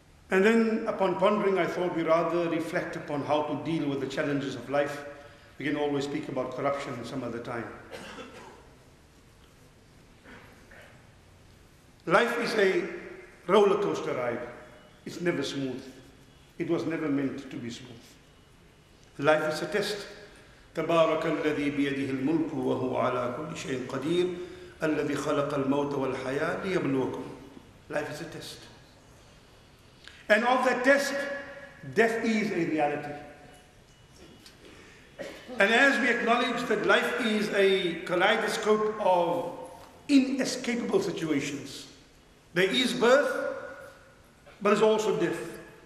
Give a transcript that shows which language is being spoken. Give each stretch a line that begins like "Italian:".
English: And then upon pondering, I thought we'd rather reflect upon how to deal with the challenges of life. We can always speak about corruption some other time. Life is a roller coaster ride. It's never smooth. It was never meant to be smooth. Life is a test.
Arabic: تبارك الذي بيده الملك وهو على كل شيء قدير الذي خلق الموت والحياة ليبلوكم.
English: Life is a test. And of that test, death is a reality. And as we acknowledge that life is a kaleidoscope of inescapable situations, there is birth, but there's also death.